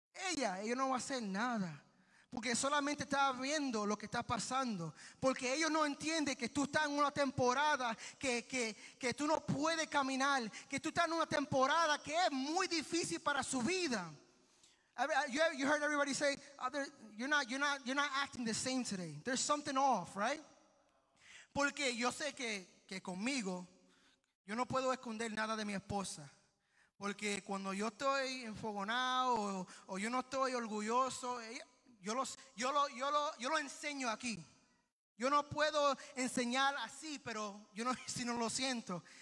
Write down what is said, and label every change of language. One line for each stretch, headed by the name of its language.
Spanish: Ella no va a hacer nada. Porque solamente está viendo lo que está pasando. Porque ellos no entienden que tú estás en una temporada que tú no puedes caminar. Que tú estás en una temporada que es muy difícil para su vida.
English: You heard everybody say, you're not acting the same today. There's something off, right?
Spanish: Porque yo sé que conmigo, yo no puedo esconder nada de mi esposa. Porque cuando yo estoy enfogonado o yo no estoy orgulloso, yo lo enseño aquí. Yo no puedo enseñar así, pero yo no, si no lo siento.